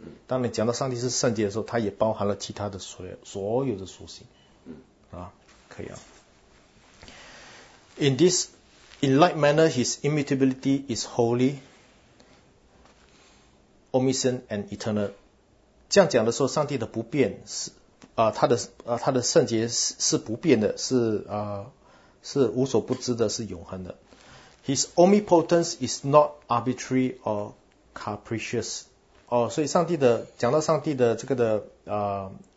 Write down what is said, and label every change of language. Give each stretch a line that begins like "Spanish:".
Chinese: 当你讲到上帝是圣洁的时候，它也包含了其他的所有的属性。可以。
English: In like manner, his immutability is holy, omniscient, and eternal.
Chinese: 这样讲的时候，上帝的不变他的圣洁是不变的，是无所不知的，是永恒的。
English: His omnipotence is not arbitrary or capricious.
Chinese: 所以上帝的讲到上帝的这个的